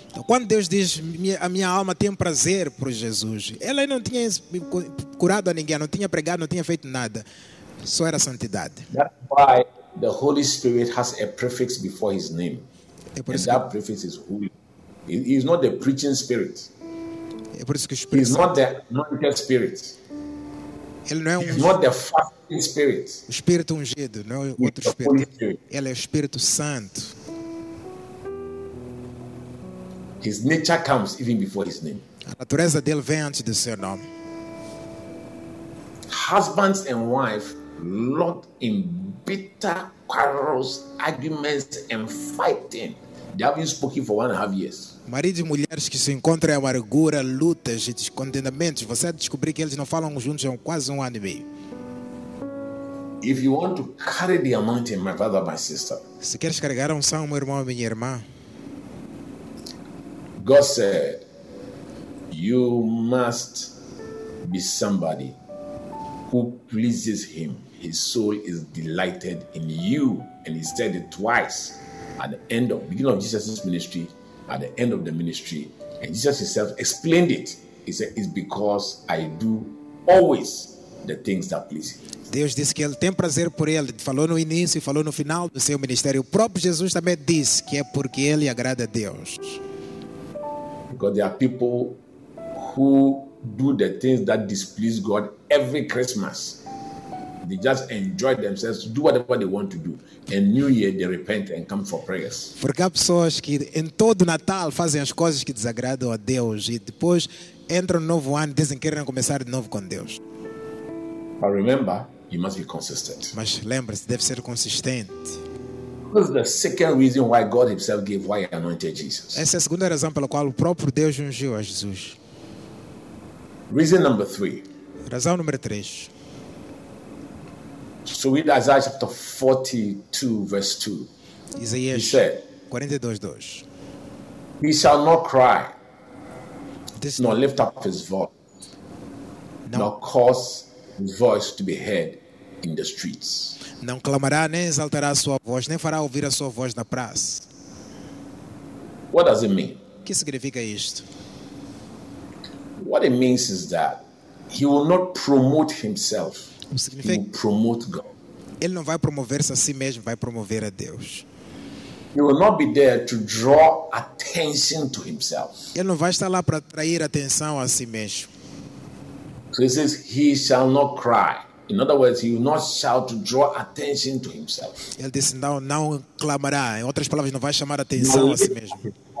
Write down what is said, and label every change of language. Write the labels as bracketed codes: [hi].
[pt] Então, quando Deus diz, "A minha alma tem prazer por Jesus." Ele não tinha curado a ninguém, não tinha pregado, não tinha feito nada. Só era santidade. [en] That's why the Holy Spirit has a prefix before his name. And that prefix is holy. He is not the preaching spirit. He's not the anointed spirit. [pt] Ele não é [en] He's not the fasting spirit. [pt] O espírito ungido, não é outro espírito. Ele é o Espírito Santo. [en] His nature comes even before his name. [pt] A natureza dele vem antes do seu nome. [en] Husbands and wife locked in bitter quarrels, arguments and fighting. They haven't spoken for 1.5 years. [pt] Maridos e mulheres que se encontram em amargura, lutas e descontentamentos, você descobriu que eles não falam juntos há quase 1 ano e meio. [en] If you want to carry the anointing, my brother, my sister. [pt] Se queres carregar a unção, meu irmão, minha irmã. [en] God said, you must be somebody who pleases him. His soul is delighted in you. And he said it twice at the end of, beginning of Jesus' ministry, at the end of the ministry. And Jesus himself explained it. He said, it's because I do always the things that please him. [pt] Deus disse que ele tem prazer por ele. Falou no início e falou no final do seu ministério. O próprio Jesus também disse que é porque ele agrada a Deus. [en] Because there are people who do the things that displease God every Christmas. They just enjoy themselves, do whatever they want to do. And New Year, they repent and come for prayers. [pt] Porque há pessoas que em todo Natal fazem as coisas que desagradam a Deus e depois entram no novo ano e dizem que querem começar de novo com Deus. [en] But remember, you must be consistent. [pt] Mas lembre-se, deve ser consistente. [en] This is the second reason why God himself gave why he anointed Jesus. [pt] Essa é a segunda razão pela qual o próprio Deus ungiu a Jesus. [en] Reason number three. [pt] Razão número 3. [en] So read Isaiah chapter 42, verse 2. [pt] Isaías 42:2. [en] He shall not cry, this nor lift up his voice, [pt] não. [en] Nor cause his voice to be heard in the streets. [pt] Não clamará, nem exaltará a sua voz, nem fará ouvir a sua voz na praça. [en] What does it mean? [pt] O que significa isto? [en] What it means is that he will not promote himself. [pt] O significa, [en] he will promote God. [pt] Ele não vai promover-se a si mesmo, vai promover a Deus. [en] He will not be there to draw attention to himself. [pt] Ele não vai estar lá para atrair atenção a si mesmo. [en] So he says, he shall not cry. In other words, he will not shout to draw attention to himself. [pt] Ele disse, não clamará. Em outras palavras, não vai chamar atenção a si mesmo.